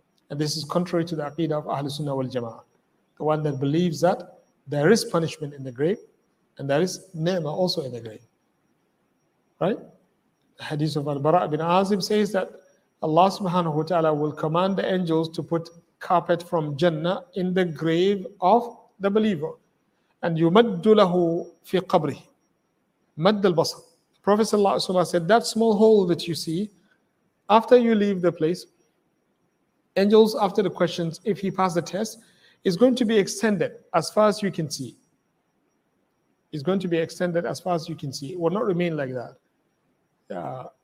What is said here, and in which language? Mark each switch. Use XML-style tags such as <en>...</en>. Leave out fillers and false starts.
<en>And this is contrary to the aqidah of Ahl Sunnah wal Jama'ah. The one that believes that there is punishment in the grave, and there is ni'mah also in the grave. Right? The hadith of Al-Bara ibn Azim says that Allah subhanahu wa ta'ala will command the angels to put carpet from Jannah in the grave of the believer. And</en> <ar>يُمَدُّ لَهُ فِي قَبْرِهِ مَدَّ الْبَصَرِ.</ar> <en>Prophet sallallahu alayhi wa sallam said, that small hole that you see, after you leave the place, angels, after the questions, if he passed the test, is going to be extended as far as you can see. It's going to be extended as far as you can see. It will not remain like that.</en>